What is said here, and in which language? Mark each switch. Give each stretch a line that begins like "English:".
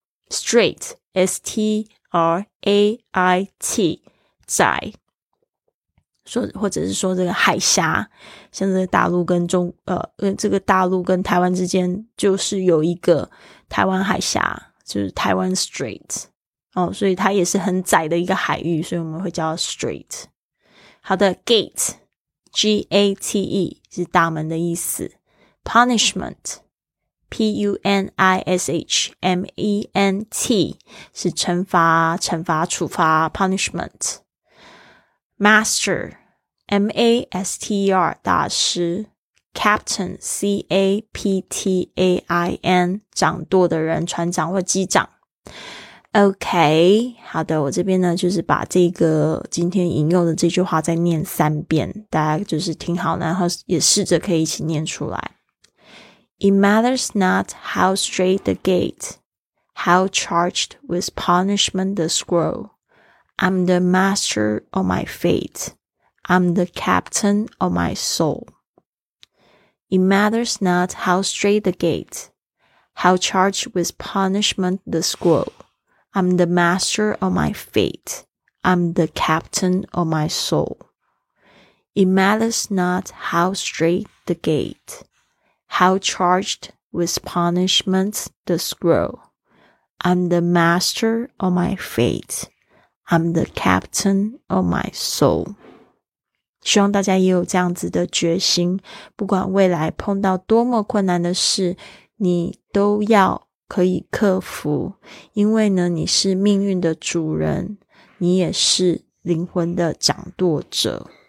Chinese: straight， S-T-R-A-I-T 窄，说或者是说这个海峡，像这个大陆跟这个大陆跟台湾之间就是有一个台湾海峡，就是台湾 Strait， 所以它也是很窄的一个海域，所以我们会叫 Strait。好的， Gate， G-A-T-E 是大门的意思。 Punishment， P-U-N-I-S-H-M-E-N-T 是惩罚处罚 Punishment。 Master， M-A-S-T-E-R 大师。 Captain, C-A-P-T-A-I-N, 掌舵的人，船长或机长。 OK， 好的，我这边呢就是把这个今天引用的这句话再念三遍，大家就是听好，然后也试着可以一起念出来。
English: It matters not how straight the gate, how charged with punishment the scroll. I'm the master of my fate, I'm the captain of my soulIt matters not how straight the gate, how charged with punishment the scroll. I'm the master of my fate. I'm the captain of my soul. It matters not how straight the gate, how charged with punishment the scroll. I'm the master of my fate. I'm the captain of my soul.
Chinese: 希望大家也有这样子的决心，不管未来碰到多么困难的事，你都要可以克服，因为呢，你是命运的主人，你也是灵魂的掌舵者。